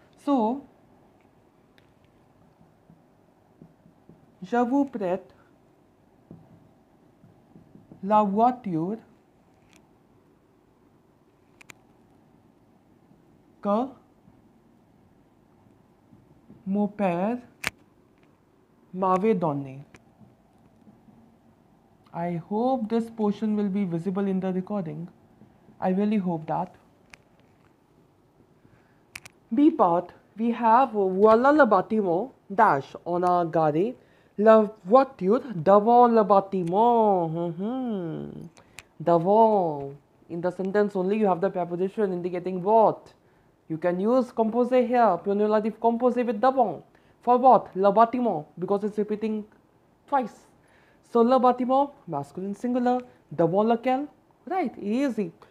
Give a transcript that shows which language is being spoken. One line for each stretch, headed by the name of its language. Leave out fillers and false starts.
French: So, je vous prête la voiture que mon père m'avait donné.
English: I hope this portion will be visible in the recording. I really hope that. B part, we have
French: voilà le bâtiment dash on a garé la voiture devant le bâtiment. Devant.
English: In the sentence only you have the preposition indicating what. You can use composé here, pronoun relative composé with devant. For what? Le bâtiment, because it's repeating twice. So, le bâtiment, masculine singular, devant lequel, right, easy.